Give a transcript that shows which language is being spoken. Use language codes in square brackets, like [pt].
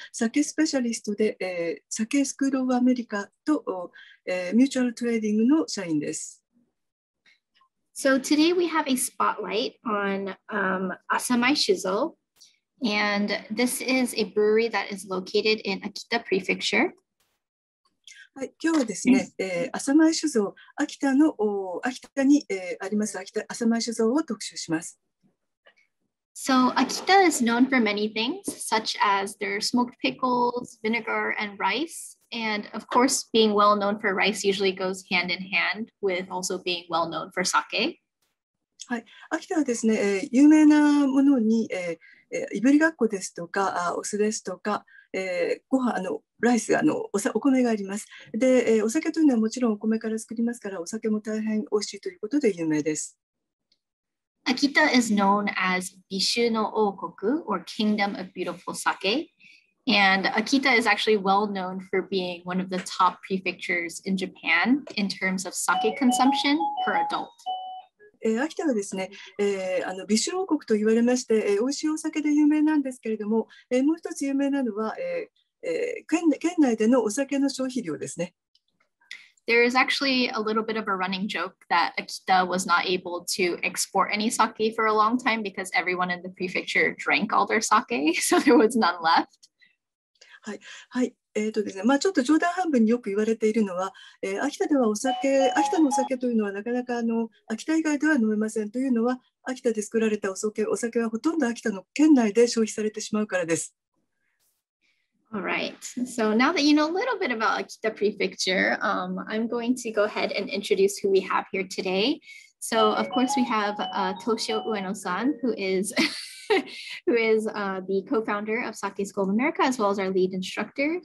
[ja] 酒スペシャリストで、酒スクールオブアメリカと、ミューチュアルトレーディングの社員です。 [en] So today we have a spotlight on Asamai Shizu, and this is a brewery that is located in Akita Prefecture. [ja] はい、今日はですね、浅前酒造、秋田の秋田に、あります浅前酒造を特集します。 [en] So, Akita is known for many things, such as their smoked pickles, vinegar, and rice. And of course, being well known for rice usually goes hand in hand with also being well known for sake. [ja] はい、秋田はですね、有名なものに、いぶりがっこですとか、お酢ですとか、ご飯、ライス、お米があります。で、お酒というのはもちろんお米から作りますから、お酒も大変おいしいということで有名です。 [en] Akita is known as [ja] 美酒の王国 [en] or Kingdom of Beautiful Sake. And Akita is actually well known for being one of the top prefectures in Japan in terms of sake consumption per adult. [ja] 秋田はですね、美酒王国と言われまして、美味しいお酒で有名なんですけれども、もう一つ有名なのは、県内でのお酒の消費量ですね。 [en] There is actually a little bit of a running joke that Akita was not able to export any sake for a long time because everyone in the prefecture drank all their sake, so there was none left. [ja] はい、はい。ですね、まあ、ちょっと冗談半分によく言われているのは、秋田ではお酒、秋田のお酒というのはなかなか秋田以外では飲めませんというのは、秋田で作られたお酒はほとんど秋田の県内で消費されてしまうからです。 [en] All right. So now that you know a little bit about Akita Prefecture, I'm going to go ahead and introduce who we have here today. So of course we have Toshio Ueno-san, who is the co-founder of Sake School of America, as well as our lead instructor.